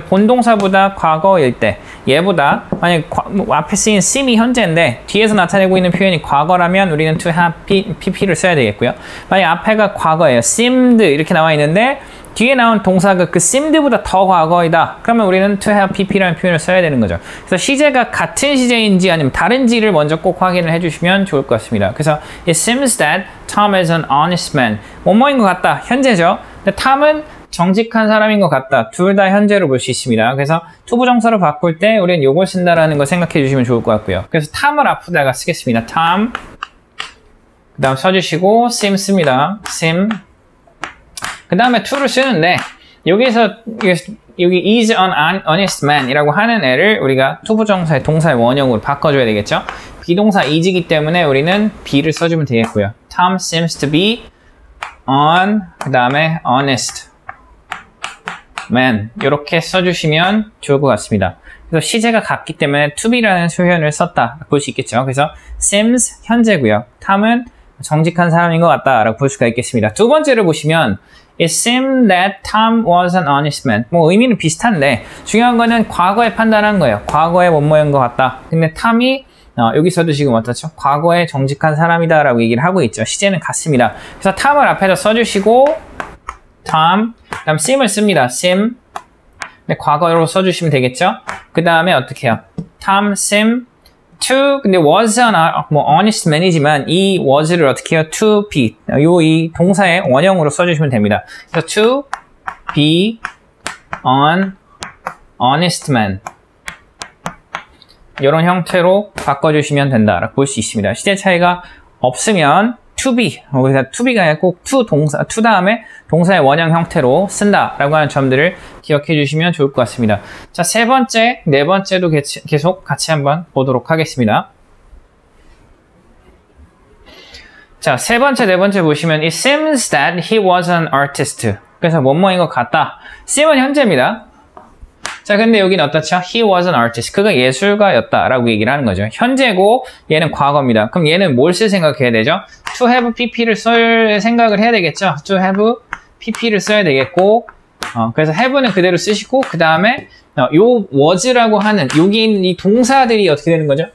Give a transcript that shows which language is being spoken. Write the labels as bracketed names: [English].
[Korean] 본동사보다 과거일 때, 얘보다 만약 앞에 쓰인 sim이 현재인데 뒤에서 나타내고 있는 표현이 과거라면 우리는 to have PP를 써야 되겠고요. 만약 앞에가 과거예요. seemed 이렇게 나와 있는데 뒤에 나온 동사가 그 seemed보다 더 과거이다. 그러면 우리는 to have PP라는 표현을 써야 되는 거죠. 그래서 시제가 같은 시제인지 아니면 다른지를 먼저 꼭 확인을 해주시면 좋을 것 같습니다. 그래서 [English] it seems that Tom is an honest man. [Korean] 원망인 것 같다. 현재죠. 근데 Tom은 정직한 사람인 것 같다. 둘 다 현재로 볼 수 있습니다. 그래서 to 부정사로 바꿀 때 우리는 요걸 쓴다라는 거 생각해 주시면 좋을 것 같고요. 그래서 Tom을 앞에다가 쓰겠습니다. Tom. 그 다음 써주시고 seem 씁니다. seem. 그 다음에 to를 쓰는데 여기서 여기 is an honest man 이라고 하는 애를 우리가 to 부정사의 동사의 원형으로 바꿔줘야 되겠죠. 비동사 is이기 때문에 우리는 be를 써주면 되겠고요. [English] Tom seems to be on [Korean] 그 다음에 honest man 이렇게 써주시면 좋을 것 같습니다. 그래서 시제가 같기 때문에 to be라는 표현을 썼다 볼 수 있겠죠. 그래서 seems 현재고요. Tom은 정직한 사람인 것 같다 라고 볼 수가 있겠습니다. [English] 두 번째를 보시면 It seemed that Tom was an honest man. [Korean] 뭐 의미는 비슷한데 중요한 거는 과거에 판단한 거예요. 과거의 원모인 것 같다. 근데 Tom이 여기서도 지금 어떻죠? 과거의 정직한 사람이다 라고 얘기를 하고 있죠. 시제는 같습니다. 그래서 Tom을 앞에다 써주시고 Tom 그 다음 seem을 씁니다. seem 근데 과거로 써주시면 되겠죠? 그 다음에 어떻게 해요? [English] Tom seem to [Korean] 근데 was an 뭐 honest man이지만 이 was를 어떻게 해요? to be 요 이 동사의 원형으로 써주시면 됩니다. 그래서 [English] to be an honest man [Korean] 이런 형태로 바꿔주시면 된다라고 볼 수 있습니다. 시제 차이가 없으면 to be 우리가 to be가 아니라 꼭 to 동사 to 다음에 동사의 원형 형태로 쓴다라고 하는 점들을 기억해 주시면 좋을 것 같습니다. 자, 세 번째, 네 번째도 계속 같이 한번 보도록 하겠습니다. 자, 세 번째, 네 번째 보시면 [English] It seems that he was an artist. [Korean] 그래서 뭐뭐인 것 같다. seem은 현재입니다. 자, 근데 여기는 어떻죠? [English] He was an artist. [Korean] 그가 예술가였다 라고 얘기를 하는 거죠. 현재고 얘는 과거입니다. 그럼 얘는 뭘 쓸 생각해야 되죠? To have PP를 쓸 생각을 해야 되겠죠? To have PP를 써야 되겠고 그래서 have는 그대로 쓰시고 그 다음에 요 was라고 하는 여기 있는 이 동사들이 어떻게 되는 거죠?